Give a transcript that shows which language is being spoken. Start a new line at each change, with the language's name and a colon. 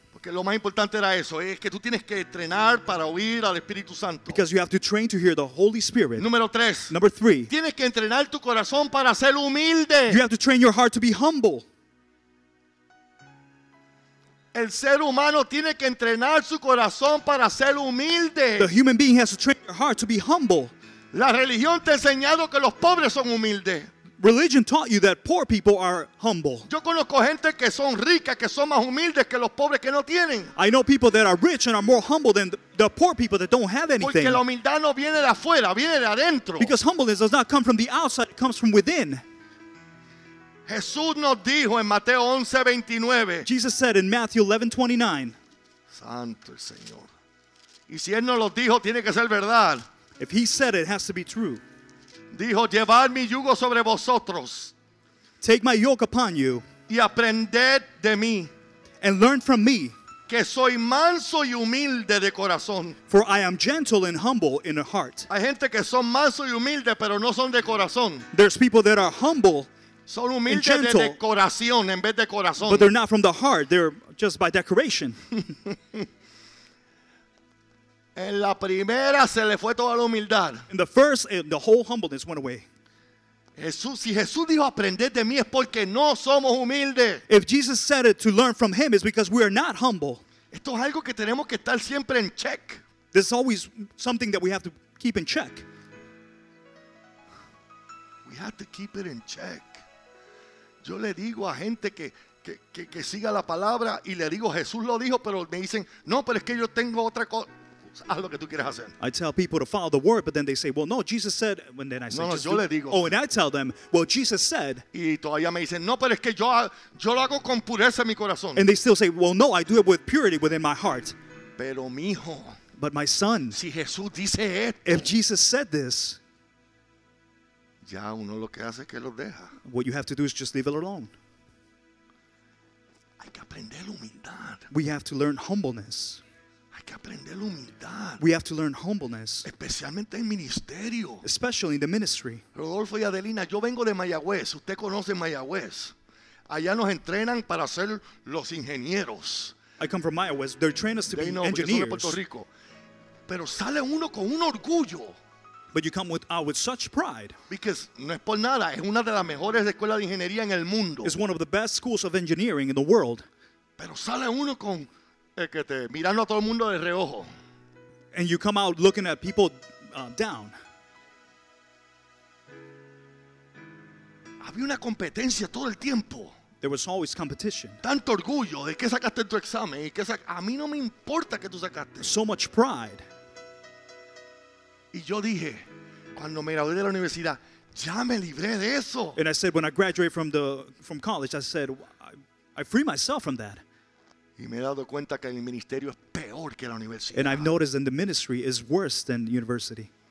Spanish: Porque lo más importante era eso, es que tú tienes que entrenar para oír al Espíritu Santo.
English: Because you have to train to hear the Holy Spirit.
Spanish: Número tres.
English: Number three.
Spanish: Tienes que entrenar tu corazón para ser humilde.
English: You have to train your heart to be humble.
Spanish: El ser humano tiene que entrenar su corazón para ser humilde.
English: The human being has to train your heart to be humble.
Spanish: La religión te ha enseñado que los pobres son humildes.
English: Religion taught you that poor people are humble.
Spanish: Yo conozco gente que son ricas, que son más humildes que los pobres que no tienen.
English: I know people that are rich and are more humble than the poor people that don't have anything.
Spanish: Porque la humildad no viene de afuera, viene de adentro.
English: Because humbleness does not come from the outside, it comes from within.
Spanish: Jesús nos dijo en Mateo 11:29.
English: Jesus said in Matthew 11:29.
Spanish: Santo el Señor. Y si él no lo dijo, tiene que ser verdad.
English: If he said it, it has to be true.
Spanish: Dijo, llevad mi yugo sobre vosotros.
English: Take my yoke upon you.
Spanish: Y aprended de mí.
English: And learn from me.
Spanish: Que soy manso y humilde de corazón.
English: For I am gentle and humble in the heart.
Spanish: Hay gente que son manso y humilde, pero no son de corazón.
English: There's people that are humble
Spanish: son humildes
English: and gentle.
Spanish: De decoración en vez de corazón.
English: But they're not from the heart. They're just by decoration.
Spanish: En la primera se le fue toda la humildad.
English: In the first, the whole humbleness went away.
Spanish: Jesús, si Jesús dijo aprender de mí es porque no somos humildes.
English: If Jesus said it to learn from him is because we are not humble.
Spanish: Esto es algo que tenemos que estar siempre en check.
English: This is always something that we have to keep in check. We have to keep it in check.
Spanish: Yo le digo a gente que siga la palabra y le digo Jesús lo dijo, pero me dicen, no, pero es que yo tengo otra cosa. Haz lo que tú quieras hacer.
English: I tell people to follow the word, but then they say, well, no, Jesus said, and then I say,
Spanish: no,
English: just
Spanish: yo
English: do.
Spanish: Le digo.
English: Oh, and I tell them, well, Jesus said.
Spanish: Y todavía me dicen, no, pero es que yo lo hago con pureza en mi corazón.
English: And they still say, well, no, I do it with purity within my heart.
Spanish: Pero mi hijo.
English: But my son.
Spanish: Si Jesús dice esto.
English: If Jesus said this.
Spanish: Ya uno lo que hace es que lo deja.
English: What you have to do is just leave it alone.
Spanish: Hay que aprender humildad.
English: We have to learn humbleness.
Spanish: Que aprender la humildad.
English: We have to learn humbleness.
Spanish: Especialmente en ministerio.
English: Especially in the ministry.
Spanish: Rodolfo y Adelina, yo vengo de Mayagüez. Usted conoce Mayagüez. Allá nos entrenan para ser los ingenieros.
English: I come from Mayagüez. They train us to be engineers.
Spanish: De Puerto Rico. Pero sale uno con un orgullo.
English: But you come with such pride. Because
Spanish: no es por nada, es una de las mejores escuelas de ingeniería en el mundo.
English: It's one of the best schools of engineering in the world.
Spanish: Pero sale uno con que te mirando a todo el mundo de reojo.
English: And you come out looking at people down.
Spanish: Había una competencia todo el tiempo.
English: There was always competition.
Spanish: Tanto orgullo de que sacaste en tu examen y que a mí no me importa que tú sacaste.
English: So much pride.
Spanish: Y yo dije, cuando me gradué de la universidad, ya me libré de eso.
English: And I said when I graduated from college, I said I free myself from that.
Spanish: Y me he dado cuenta que mi ministerio es peor que la universidad.
English: And I've noticed that the ministry is worse than university.